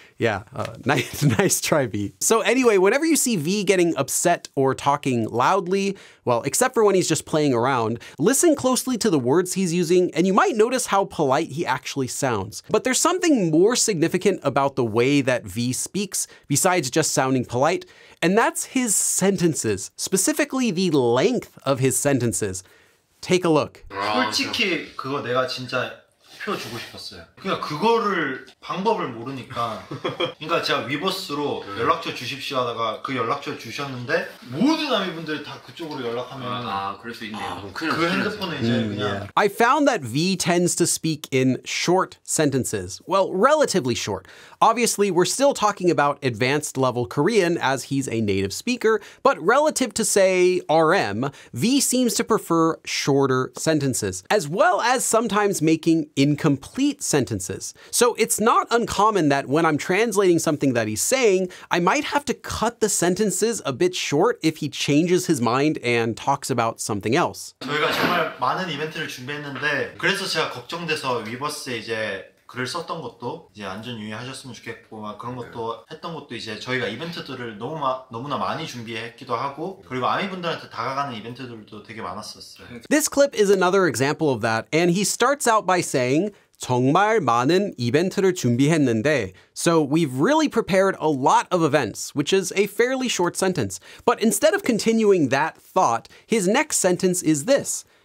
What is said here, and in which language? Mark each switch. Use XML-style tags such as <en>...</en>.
<en>Yeah, nice try, V. So anyway, whenever you see V getting upset or talking loudly, well, except for when he's just playing around, listen closely to the words he's using, and you might notice how polite he actually sounds. But there's something more significant about the way that V speaks, besides just sounding polite, and that's his sentences, specifically the length of his sentences. Take a look.</en> <ko>솔직히 그거 내가 진짜 주고 싶었어요. 그냥 그거를 방법을 모르니까 그러니까 제가 위버스로 연락처 주십시오 하다가 그 연락처 주셨는데 모든 아미분들이 다 그쪽으로 연락하면 아 그럴 수 있네요. 아, 그 핸드폰에 이제 그냥</ko> <en>I found that V tends to speak in short sentences. Well, relatively short. Obviously, we're still talking about advanced level Korean as he's a native speaker, but relative to say RM, V seems to prefer shorter sentences, as well as sometimes making incomplete sentences. So it's not uncommon that when I'm translating something that he's saying, I might have to cut the sentences a bit short if he changes his mind and talks about something else.</en> <ko>저희가 정말 많은 이벤트를 준비했는데 그래서 제가 걱정돼서 위버스에 이제 글을 썼던 것도 이제 안전 유의하셨으면 좋겠고 막 그런 것도 했던 것도 이제 저희가 이벤트들을 너무나 많이 준비했기도 하고 그리고 아미 분들한테 다가가는 이벤트들도 되게 많았었어요.</ko> <en>This clip is another example of that, and he starts out by saying</en> <ko>정말 많은 이벤트를 준비했는데.</ko> <en>So we've really prepared a lot of events, which is a fairly short sentence. But instead of continuing that thought, his next sentence is this.</en>